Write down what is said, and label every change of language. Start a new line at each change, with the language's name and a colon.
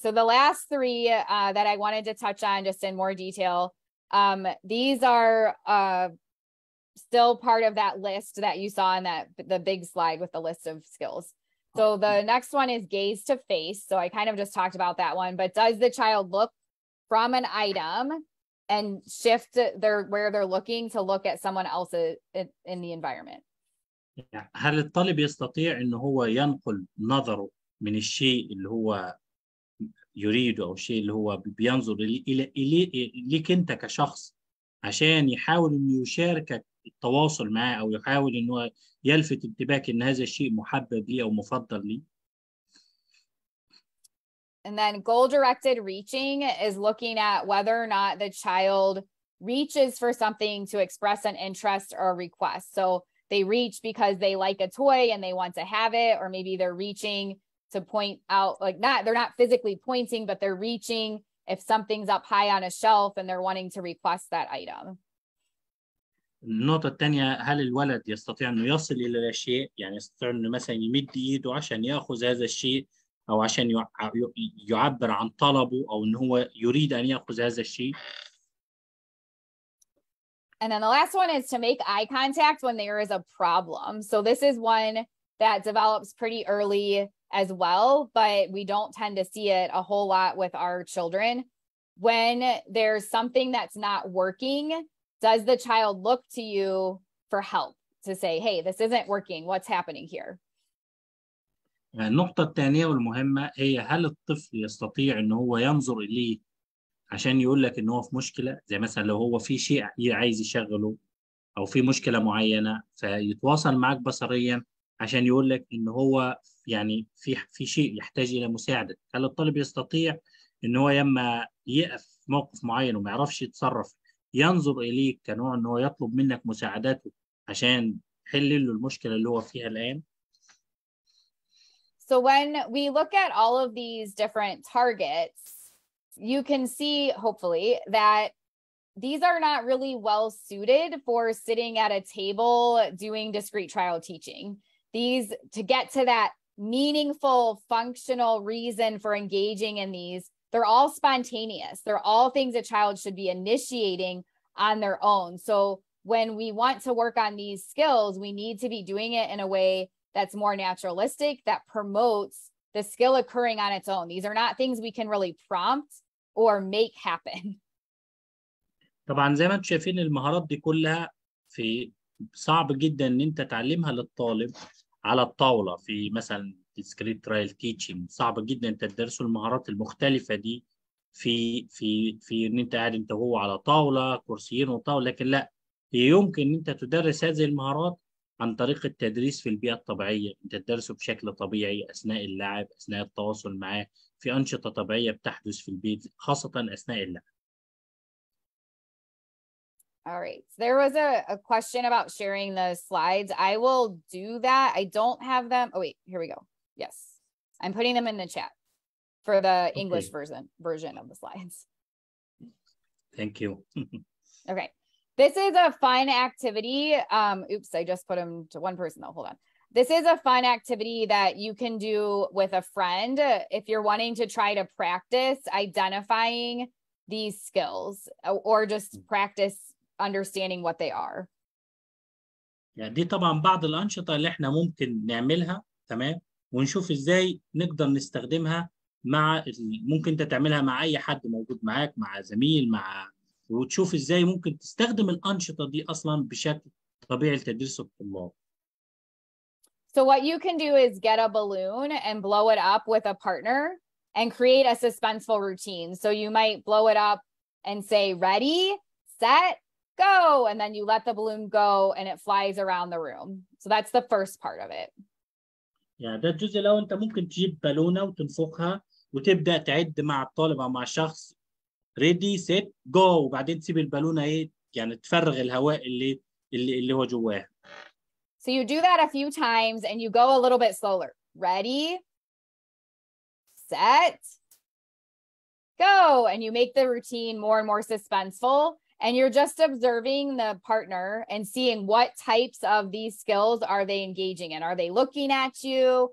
English: So the last three that I wanted to touch on just in more detail, these are still part of that list that you saw in the big slide with the list of skills. So the next one is gaze to face. So I kind of just talked about that one, but does the child look from an item and shift where they're looking to look at someone else in the environment?
Arabic: هل الطالب يستطيع أن هو ينقل نظره من الشيء اللي هو يريده أو الشيء اللي هو بينظر إليك أنت كشخص عشان يحاول أن يشاركك التواصل معه أو يحاول أن هو يلفت انتباهك أن هذا الشيء محبب لي أو مفضل لي؟
English: And then goal-directed reaching is looking at whether or not the child reaches for something to express an interest or a request. So they reach because they like a toy and they want to have it, or maybe they're reaching to point out, like not, they're not physically pointing, but they're reaching if something's up high on a shelf and they're wanting to request that item.
Arabic: النقطة الثانية، هل الولد يستطيع أن يصل إلى الأشياء؟ يعني يستطيع أن مثلا يمد إيده عشان يأخذ هذا الشيء أو عشان يعبر عن طلبه أو أن هو يريد أن يأخذ هذا الشيء؟
English: And then the last one is to make eye contact when there is a problem. So this is one that develops pretty early as well, but we don't tend to see it a whole lot with our children. When there's something that's not working, does the child look to you for help to say, hey, this isn't working, what's happening here?
Arabic: النقطة الثانية والمهمة هي هل الطفل يستطيع أن هو ينظر إليه عشان يقول لك أنه في مشكلة، زي مثلا لو هو في شيء عايز يشغله أو في مشكلة معينة فيتواصل معك بصريا عشان يقول لك أنه هو يعني في شيء يحتاج إلى مساعدة. هل الطالب يستطيع أنه يما يقف موقف معين وما يعرفش يتصرف ينظر إليك كنوع أنه يطلب منك مساعدته عشان حل له المشكلة اللي هو فيها الآن؟
English: So when we look at all of these different targets, you can see, hopefully, that these are not really well suited for sitting at a table doing discrete trial teaching. These, to get to that meaningful, functional reason for engaging in these, they're all spontaneous. They're all things a child should be initiating on their own. So when we want to work on these skills, we need to be doing it in a way that's more naturalistic, that promotes the skill occurring on its own. These are not things we can really prompt or make happen.
Arabic: طبعا زي ما انتم شايفين المهارات دي كلها في صعب جدا ان انت تعلمها للطالب على الطاوله في مثلا discrete trial teaching، صعب جدا ان تدرسوا المهارات المختلفه دي في في في ان انت قاعد انت وهو على طاوله كرسيين وطاوله، لكن لا، هي يمكن ان انت تدرس هذه المهارات عن طريق التدريس في البيئة الطبيعية، أنت تدرسه بشكل طبيعي أثناء اللعب، أثناء التواصل معه، في أنشطة طبيعية بتحدث في البيت، خاصة أثناء اللعب.
English: All right. There was a question about sharing the slides. I will do that. I don't have them. Oh, wait. Here we go. Yes. I'm putting them in the chat for the English version of the slides. Thank you. Okay. This is a fun activity. Oops, I just put them to one person though, hold on. This is a fun activity that you can do with a friend if you're wanting to try to practice identifying these skills or just practice understanding what they are.
Arabic: Yeah, دي طبعا بعض الأنشطة اللي احنا ممكن نعملها، تمام؟ ونشوف ازاي نقدر نستخدمها مع، ممكن انت تعملها مع اي حد موجود معاك، مع زميل، مع، وتشوف ازاي ممكن تستخدم الانشطه دي اصلا بشكل طبيعي لتدريس الطلاب.
English: So what you can do is get a balloon and blow it up with a partner and create a suspenseful routine. So you might blow it up and say ready, set, go, and then you let the balloon go and it flies around the room. So that's the first part of it.
Arabic: Yeah, ده الجزء الاول. انت ممكن تجيب بالونه وتنفخها وتبدا تعد مع الطالب او مع شخص
English: ready, set, go.
Arabic: وبعدين تسيب البالونة ايه؟ يعني تفرغ الهواء اللي هو جواه.
English: So you do that a few times and you go a little bit slower. Ready, set, go. And you make the routine more and more suspenseful. And you're just observing the partner and seeing what types of these skills are they engaging in. Are they looking at you?